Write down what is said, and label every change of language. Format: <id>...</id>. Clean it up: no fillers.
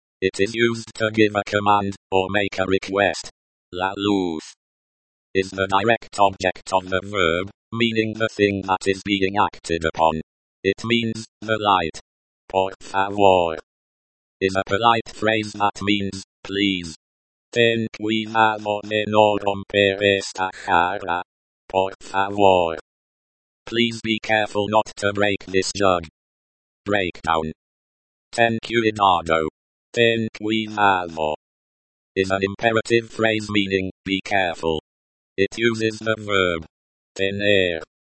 <en>It is used to give a command, or make a request.</en> <es>La luz.</es> <en>Is the direct object of the verb, meaning the thing that is being acted upon. It means, the light.</en> <es>Por favor.</es> <en>Is a polite phrase that means, please.</en> <es>Ten cuidado de no romper esta jarra. Por favor.</es> <en>Please be careful not to break this jug. Breakdown.</en> <es>Ten cuidado. Ten cuidado.</es> <en>Is an imperative phrase meaning, be careful. It uses the verb. Tener.</en>